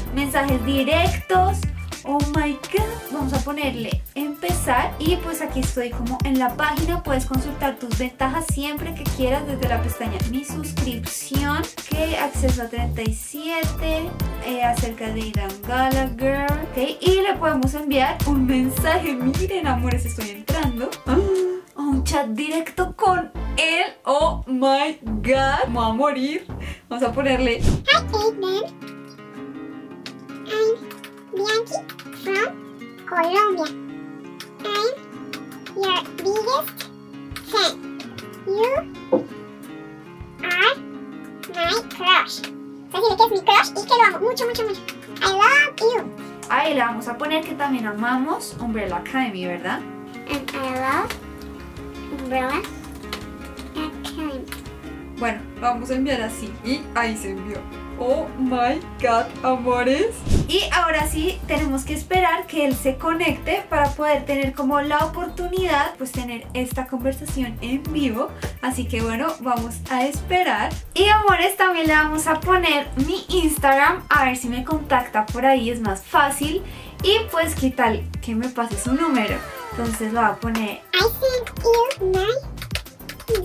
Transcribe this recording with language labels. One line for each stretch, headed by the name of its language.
Spanish: Mensajes directos.
English: Oh my god,
Spanish: vamos a ponerle empezar y pues aquí estoy como en la página, puedes consultar tus ventajas siempre que quieras desde la pestaña mi suscripción, que acceso a 37, acerca de Aidan Gallagher, ok, y le podemos enviar un mensaje, miren amores, estoy entrando, a un chat directo con él, oh my god, me voy a morir, vamos a ponerle,
English: hi Aidan, Bianchi from Colombia. I'm your biggest fan. You are my crush.
Spanish: Entonces dile que es mi crush y que lo amo mucho, mucho, mucho.
English: I love you.
Spanish: Ahí le vamos a poner que también amamos Umbrella Academy, ¿verdad?
English: And I love Umbrella Academy.
Spanish: Bueno, vamos a enviar así. Y ahí se envió.
English: Oh my god,
Spanish: amores. Y ahora sí, tenemos que esperar que él se conecte para poder tener como la oportunidad, pues tener esta conversación en vivo. Así que bueno, vamos a esperar. Y amores, también le vamos a poner mi Instagram, a ver si me contacta por ahí, es más fácil. Y pues qué tal que me pase su número. Entonces lo voy a poner,
English: I sent you my Instagram, so you can